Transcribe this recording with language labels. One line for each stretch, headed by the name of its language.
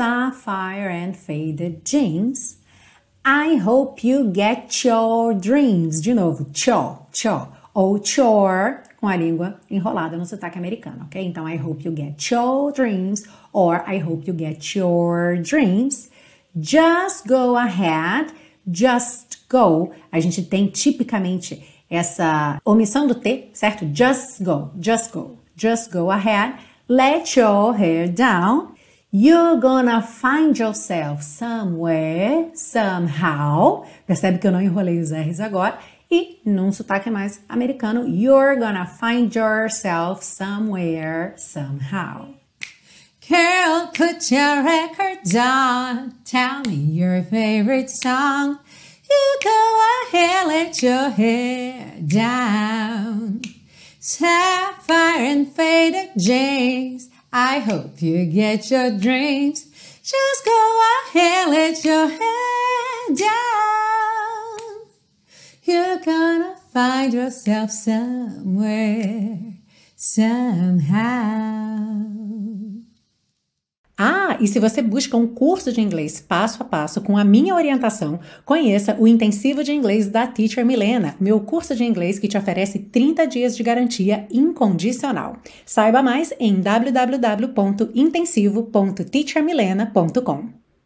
English: Sapphire and faded jeans. I hope you get your dreams.
Portuguese: De novo, chore. Com a língua enrolada no sotaque americano, ok? Então,
English: I hope you get your dreams, or I hope you get your dreams. Just go ahead, just go.
Portuguese: A gente tem tipicamente essa omissão do T, certo?
English: Just go ahead, let your hair down. You're gonna find yourself somewhere, somehow.
Portuguese: Percebe que eu não enrolei os R's agora. E num sotaque mais americano,
English: you're gonna find yourself somewhere, somehow. Girl, put your record on, tell me your favorite song. You go ahead, let your hair down. Sapphire and faded jeans, I hope you get your dreams. Just go ahead, let your hair down. You're gonna find yourself somewhere, somehow.
Portuguese: Ah, e se você busca um curso de inglês passo a passo com a minha orientação, conheça o Intensivo de Inglês da Teacher Milena, meu curso de inglês que te oferece 30 dias de garantia incondicional. Saiba mais em www.intensivo.teachermilena.com.